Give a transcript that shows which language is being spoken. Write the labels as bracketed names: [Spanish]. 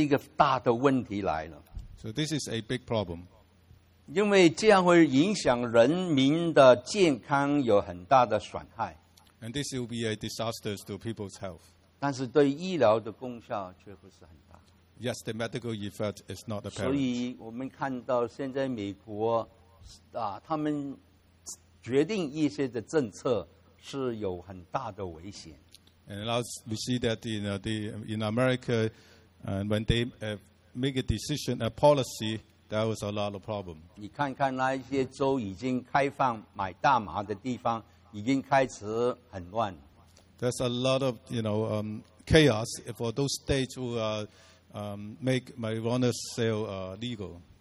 [Chinese] 所以呢，这个是一个大的问题来了。 [English] So this is a big problem. [Chinese] 因为这样会影响人民的健康，有很大的损害。 [English] And this will be a disaster to people's health. [Chinese] 但是对医疗的功效却不是很大。 [English] Yes, the medical effect is not apparent. [Chinese] 所以我们看到现在美国，他们决定一些的政策是有很大的危险。 [English] And now we see that in America, when they make a decision, a policy, there was a lot of problem. [Chinese] 你看看那一些州已经开放买大麻的地方，已经开始很乱。 [English] There's a lot of, you know, chaos for those states who make marijuana sale legal.